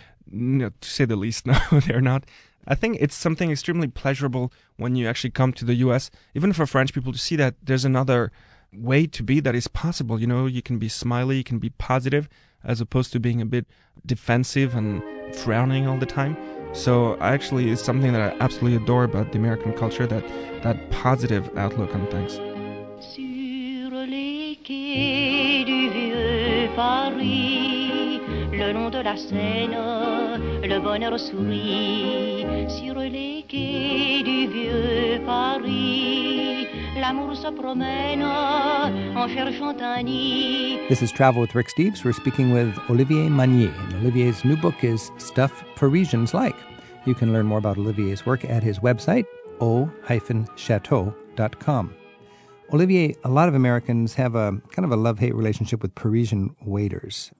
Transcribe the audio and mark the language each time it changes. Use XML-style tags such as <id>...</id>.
<en>No, to say the least, no, they're not. I think it's something extremely pleasurable when you actually come to the U.S., even for French people, to see that there's another way to be that is possible. You know, you can be smiley, you can be positive, as opposed to being a bit defensive and frowning all the time. So actually, it's something that I absolutely adore about the American culture, that positive outlook on things.</en> <fr>Sur les quais du vieux Paris, le nom de la Seine, le bonheur sourit. Sur les quais du vieux Paris, l'amour se promène en cherchant un nid.</fr> <en>This is Travel with Rick Steves. We're speaking with Olivier Manier, and Olivier's new book is Stuff Parisians Like. You can learn more about Olivier's work at his website, o-chateau.com. Olivier, a lot of Americans have a kind of a love-hate relationship with Parisian waiters.</en>